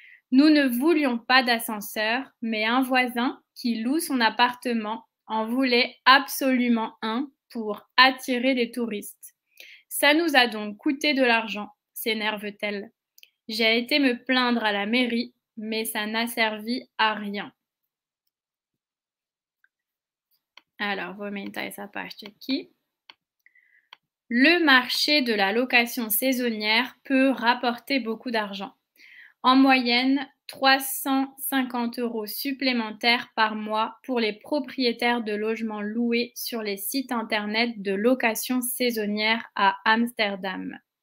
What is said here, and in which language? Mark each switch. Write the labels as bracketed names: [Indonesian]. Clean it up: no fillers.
[French] Nous ne voulions pas d'ascenseur, mais un voisin qui loue son appartement en voulait absolument un pour attirer des touristes. Ça nous a donc coûté de l'argent, s'énerve-t-elle. J'ai été me plaindre à la mairie, mais ça n'a servi à rien. Alors, [Portuguese] vou aumentar essa parte aqui. [French] Le marché de la location saisonnière peut rapporter beaucoup d'argent. En moyenne, 350 euros supplémentaires par mois pour les propriétaires de logements loués sur les sites internet de location saisonnière à Amsterdam.